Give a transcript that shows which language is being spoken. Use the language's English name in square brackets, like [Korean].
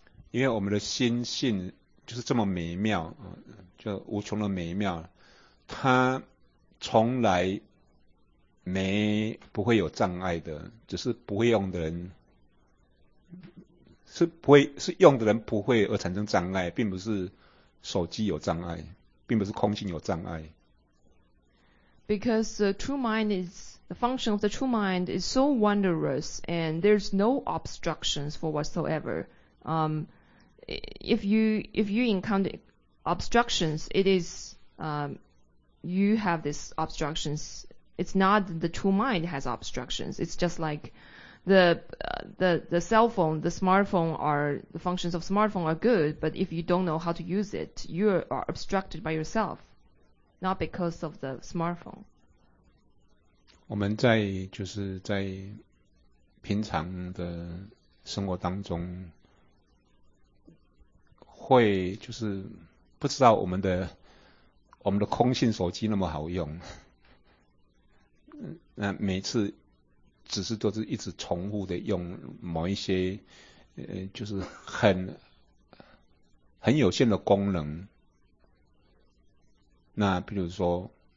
[Chinese] 因为我们的心性就是这么美妙，就无穷的美妙，它从来没不会有障碍的，只是不会用的人是不会是用的人不会而产生障碍，并不是手机有障碍。并不是空性有障碍。 [English] Because the true mind is the function of the true mind is so wondrous and there's no obstructions for whatsoever. If you encounter obstructions, it is you have this obstructions. It's not the true mind has obstructions. It's just like the cell phone, the smartphone are, the functions of smartphone are good, but if you don't know how to use it, you are obstructed by yourself, not because of the smartphone. [Chinese] 我们在就是在平常的生活当中会就是不知道我们的空性手机那么好用，那每次只是都是一直重复的用某一些就是很有限的功能，那比如说